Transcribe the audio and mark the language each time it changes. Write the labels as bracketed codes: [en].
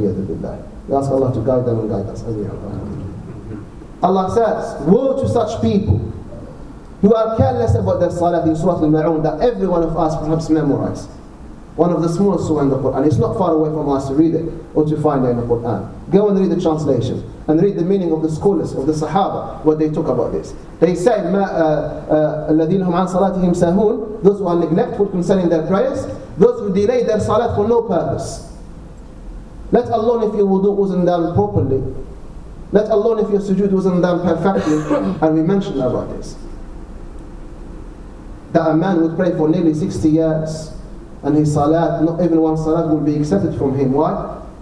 [en] We ask Allah to guide them and guide us. Allah says, woe to such people who are careless about their salat in Surah Al-Ma'un, that every one of us perhaps memorize. One of the smallest surah in the Quran. It's not far away from us to read it or to find it in the Quran. Go and read the translation and read the meaning of the scholars, of the Sahaba, what they talk about this. They say, [ar] الَّذِينَ هُمْ عَنْ صَلَاتِهِمْ سَهُونَ. [en] Those who are neglectful concerning their prayers, those who delay their salat for no purpose. Let alone if your wudu wasn't done properly. Let alone if your sujood wasn't done perfectly. And we mentioned about this. That a man would pray for nearly 60 years, and his salat, not even one salat will be accepted from him. Why?